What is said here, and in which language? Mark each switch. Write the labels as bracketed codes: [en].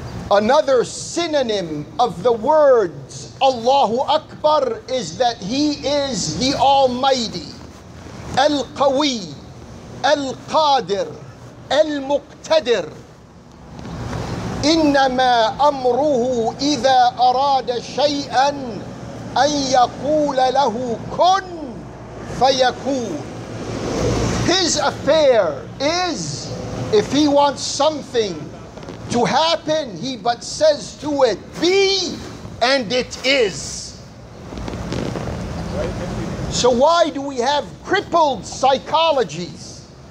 [en] Another synonym of the words Allahu Akbar is that He is the Almighty, Al-Qawi, Al-Qadir, Al-Muqtadir. [ar] إِنَّمَا أَمْرُهُ إِذَا أَرَادَ شَيْئًا أَنْ يَقُولَ لَهُ كُنْ فَيَكُونَ. [en] His affair is, if he wants something to happen, he but says to it, be, and it is. So why do we have crippled psychologies?